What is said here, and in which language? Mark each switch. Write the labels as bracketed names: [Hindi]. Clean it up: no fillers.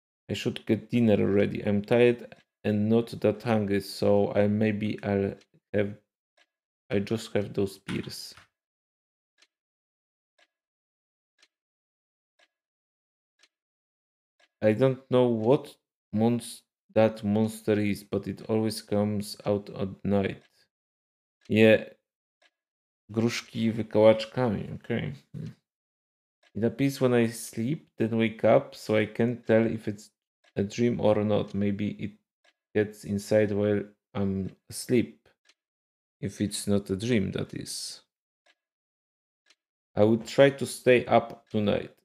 [English] I should get dinner ready. I'm tired and not that hungry, so I just have those beers. I don't know what that monster is, but it always comes out at night. [Polish] Je gruszki wykałaczkami, okej. [English] Okay. It appears when I sleep, then wake up, so I can't tell if it's a dream or not. Maybe it gets inside while I'm asleep. If it's not a dream, that is. I would try to stay up tonight.